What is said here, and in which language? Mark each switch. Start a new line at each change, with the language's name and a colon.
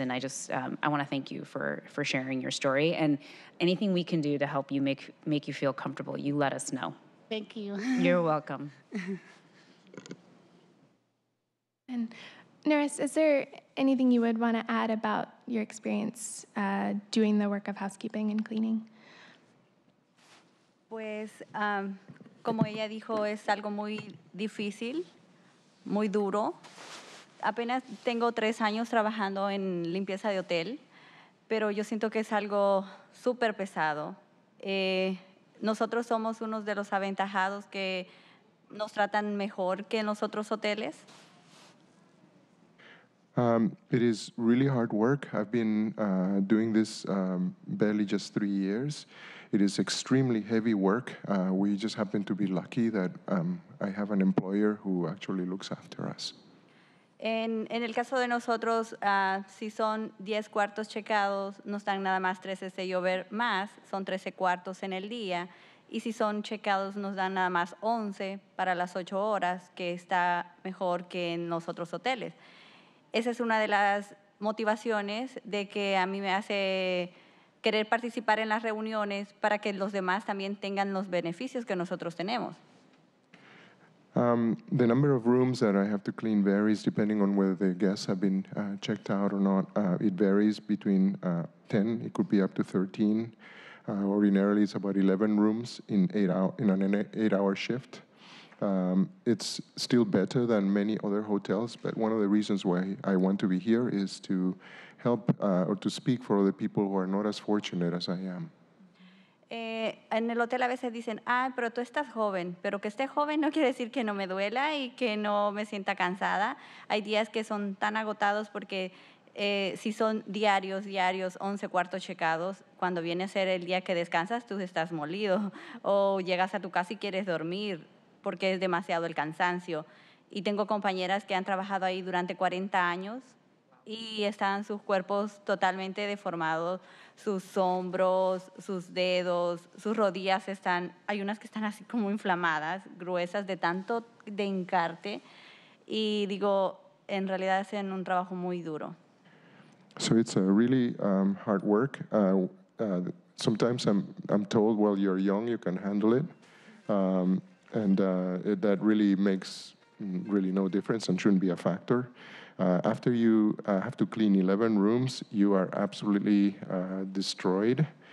English: And I just, I want to thank you for sharing your story. And anything we can do to help you make you feel comfortable, you let us know. Thank you. You're welcome. And Neris, is there anything you would want to add about your experience doing the work of housekeeping and cleaning?
Spanish: Pues, como ella dijo, es algo muy difícil, muy duro. Apenas tengo 3 años trabajando en limpieza de hotel, pero yo siento que es algo súper pesado. Nosotros somos unos de los aventajados que nos tratan mejor que en los otros hoteles.
English: It is really hard work. I've been doing this barely just 3 years. It is extremely heavy work. We just happen to be lucky that I have an employer who actually looks after us.
Spanish: En el caso de nosotros, si son 10 cuartos checados, no están nada más 13 de llover más, son 13 cuartos en el día. Y si son checados, nos dan nada más 11 para las 8 horas, que está mejor que en los otros hoteles. Esa es una de las motivaciones de que a mí me hace querer participar en las reuniones para que los demás también tengan los beneficios que nosotros tenemos.
English: The number of rooms that I have to clean varies depending on whether the guests have been checked out or not. It varies between 10, it could be up to 13. Ordinarily, it's about 11 rooms in an eight-hour shift. It's still better than many other hotels, but one of the reasons why I want to be here is to help or to speak for other people who are not as fortunate as I am.
Spanish: En el hotel a veces dicen, ah, pero tú estás joven, pero que esté joven no quiere decir que no me duela y que no me sienta cansada. Hay días que son tan agotados porque si son diarios, 11 cuartos checados, cuando viene a ser el día que descansas, tú estás molido o llegas a tu casa y quieres dormir porque es demasiado el cansancio. Y tengo compañeras que han trabajado ahí durante 40 años y están sus cuerpos totalmente deformados, sus hombros, sus dedos, sus rodillas están, hay unas que están así como inflamadas, gruesas, de tanto de hincarte. Y digo, en realidad hacen un trabajo muy duro.
English: So it's a really hard work. Sometimes I'm told, well, you're young, you can handle it. And that really makes really no difference and shouldn't be a factor. After you have to clean 11 rooms, you are absolutely destroyed.